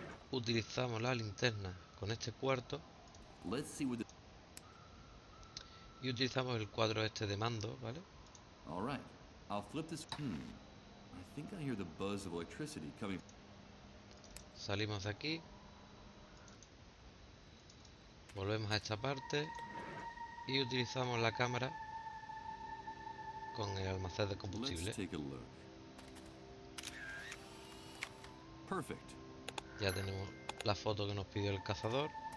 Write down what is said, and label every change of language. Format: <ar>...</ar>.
<es>Utilizamos la linterna con este cuarto y utilizamos el cuadro este de mando, ¿vale?</es> <en>All right. I'll flip this. I think I hear the buzz of electricity coming.</en> <es>Salimos de aquí, volvemos a esta parte y utilizamos la cámara con el almacén de combustible. Perfect. Ya tenemos la foto que nos pidió el cazador.</es>